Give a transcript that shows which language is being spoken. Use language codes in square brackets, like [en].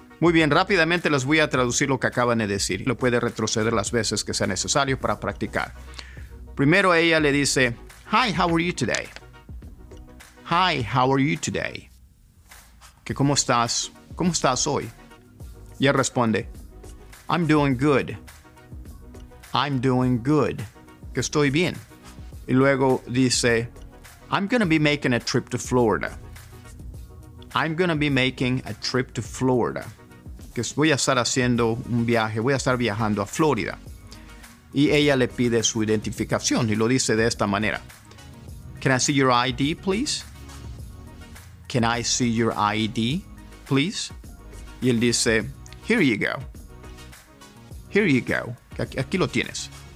[es] Muy bien, rápidamente les voy a traducir lo que acaban de decir. Lo puede retroceder las veces que sea necesario para practicar. Primero ella le dice, [en] Hi, how are you today? Hi, how are you today? [es] Que cómo estás? ¿Cómo estás hoy? Y él responde, [en] I'm doing good. I'm doing good. [es] Que estoy bien. Y luego dice, [en] I'm going to be making a trip to Florida. I'm going to be making a trip to Florida. [es] Que voy a estar haciendo un viaje, voy a estar viajando a Florida. Y ella le pide su identificación y lo dice de esta manera. [en] Can I see your ID, please? Can I see your ID, please? [es] Y él dice, [en] here you go. Here you go. [es] Aquí lo tienes.